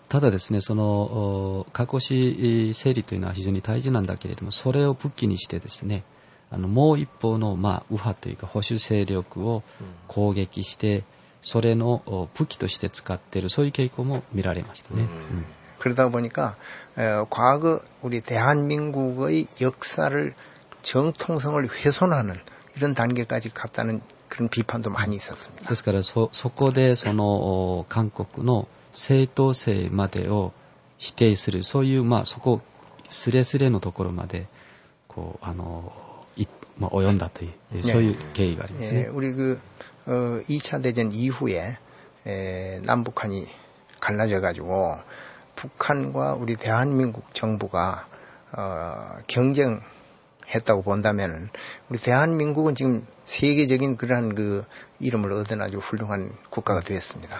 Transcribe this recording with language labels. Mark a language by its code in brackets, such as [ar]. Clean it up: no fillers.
[ja] ただですねその過去し整理というのは非常に大事なんだけれどもそれを武器にしてですねもう一方の、まあ、右派というか保守勢力を攻撃してそれの武器として使っているそういう傾向も見られましたね、うんうん、 [ko] 그러다보니까과거우리대한민국의역사를정통성을훼손하는이런단계까지갔다는그런비판도많이있었습니다 [ja] ですから そこでその韓国の正当性までを否定するそういう、まあ、そこすれすれのところまでこうまあ、及んだという、ね、そういう経緯がありますね、 [ko] 우리그2차대전이후에남북한이갈라져가지고북한과우리대한민국정부가경쟁했다고본다면은우리대한민국은지금세계적인그러한그이름을얻은아주훌륭한국가가되었습니다